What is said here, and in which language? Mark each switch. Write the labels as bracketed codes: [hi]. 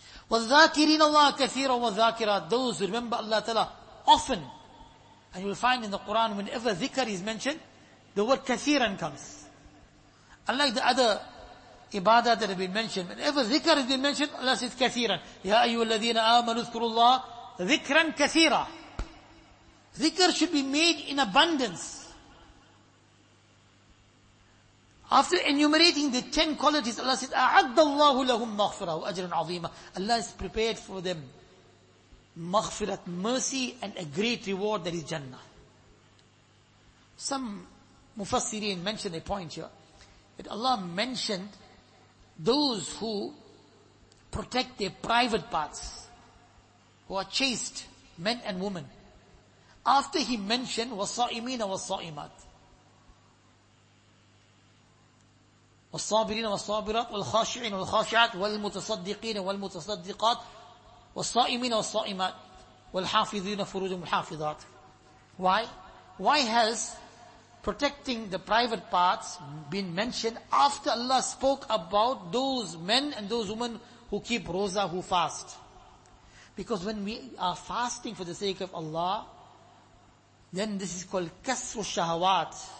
[ar] وَالذَّاكِرِينَ اللَّهَ كَثِيرًا وَالذَّاكِرَاتِ [en] Those who remember Allah ta'ala often. And you will find in the Quran, whenever dhikr is mentioned, the word kathiran comes. Unlike the other ibadah that have been mentioned, whenever dhikr has been mentioned, Allah says kathiran. [ar] يَا أَيُّوَ الَّذِينَ آمَنُوا اذْكُرُوا اللَّهَ Dhikran kathira. [en] Dhikr should be made in abundance. After enumerating the 10 qualities, Allah said, [ar] أَعَدَّ اللَّهُ لَهُمْ مَغْفِرَةً وَأَجْرًا عَظِيمًا [en] Allah has prepared for them maghfirat, mercy and a great reward that is Jannah. Some mufassirin mentioned a point here that Allah mentioned those who protect their private parts, who are chaste, men and women. After he mentioned [ar] وَالصَّائِمِينَ وَالصَّائِمَاتِ وَالصَّابِرِينَ وَالصَّابِرَاتِ وَالْخَاشِعِينَ وَالْخَاشِعَاتِ وَالْمُتَصَدِّقِينَ وَالْمُتَصَدِّقَاتِ وَالصَّائِمِينَ وَالصَّائِمَاتِ وَالْحَافِذِينَ فُرُوجَهُمْ وَالْحَافِظَاتِ [en] Why? Why has protecting the private parts been mentioned after Allah spoke about those men and those women who keep roza, who fast? Because when we are fasting for the sake of Allah, then this is called kasru shahawat.